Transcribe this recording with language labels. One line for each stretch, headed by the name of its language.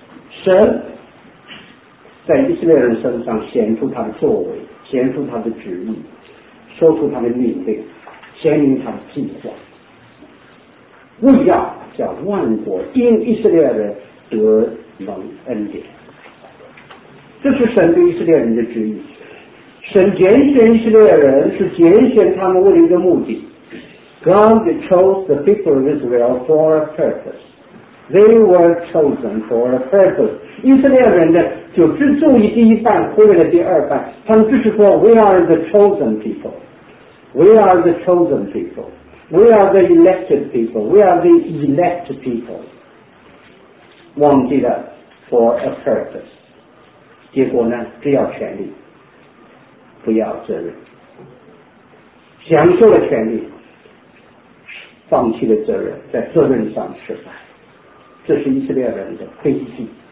Chinese: 神在以色列人身上显出他的作为，显出他的旨意，说出他的命令，显明他的计划，为要叫万国因以色列人得蒙恩典。这是神对以色列人的旨意，神拣选以色列人是拣选他们为了一个目的，
English: God chose the people of Israel for a purpose，
Chinese: they were chosen for a purpose。以色列人的就只注意第一半，忽略了第二半，他们只是说
English: we are the chosen people， we are the chosen people， we are the elected people， we are the elect people，
Chinese: 忘记了
English: for a purpose。
Chinese: 结果呢，只要权力不要责任，享受了权力放弃了责任，在责任上失败，这是以色列人的悲剧。